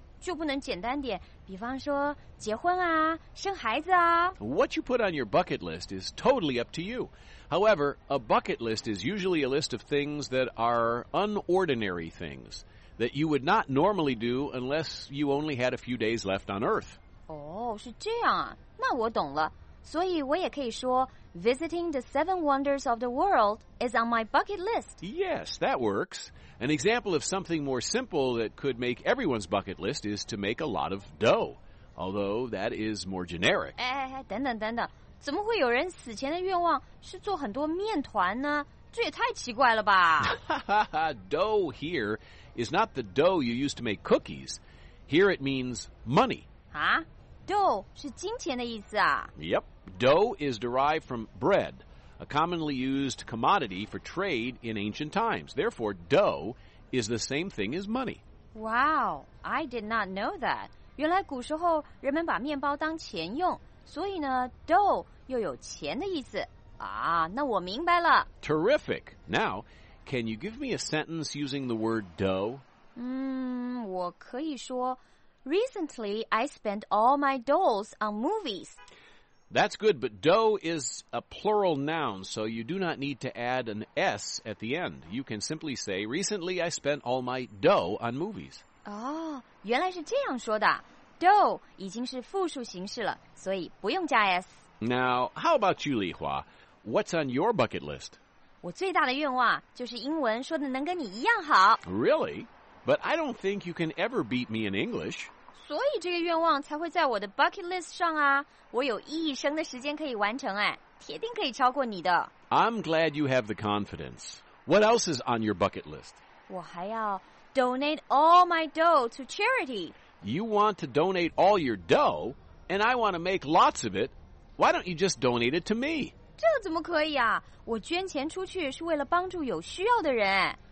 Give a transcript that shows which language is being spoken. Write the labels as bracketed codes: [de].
[zh] 就不能简单点，比方说结婚啊，生孩子啊。 [en] What you put on your bucket list is totally up to you. However, a bucket list is usually a list of things that are unordinary things that you would not normally do unless you only had a few days left on Earth. [zh] 哦，是这样啊，那我懂了。所以我也可以说 [en] visiting the seven wonders of the world is on my bucket list. Yes, that works. An example of something more simple that could make everyone's bucket list is to make a lot of dough, although that is more generic. [zh] 等等，怎么会有人死前的愿望是做很多面团呢？这也太奇怪了吧。 [en] Dough here is not the dough you use to make cookies. Here it means money. [zh] Huh? Dough 是金钱的意思啊。 [en] Yep, dough is derived from bread, a commonly used commodity for trade in ancient times. Therefore, dough is the same thing as money. Wow, I did not know that. [zh] 原来古时候人们把面包当钱用，所以呢 ，dough 又有钱的意思啊。那我明白了。 [en] Terrific. Now, can you give me a sentence using the word dough? [zh] 我可以说。 [en] Recently, I spent all my doughs on movies. That's good, but dough is a plural noun, so you do not need to add an S at the end. You can simply say, recently, I spent all my dough on movies. [zh] Oh, 原来是这样说的。Dough 已经是复数形式了，所以不用加 S. [en] Now, how about you, Li Hua? What's on your bucket list? [zh] 我最大的愿望就是英文说的能跟你一样好。 [en] Really? But I don't think you can ever beat me in English. [zh] 所以这个愿望才会在我的 bucket list 上啊。我有一生的时间可以完成哎，铁定可以超过你的。 [en] I'm glad you have the confidence. What else is on your bucket list? [zh] 我还要 [en] donate all my dough to charity. You want to donate all your dough, and I want to make lots of it. Why don't you just donate it to me? [zh] 这怎么可以啊？我捐钱出去是为了帮助有需要的人。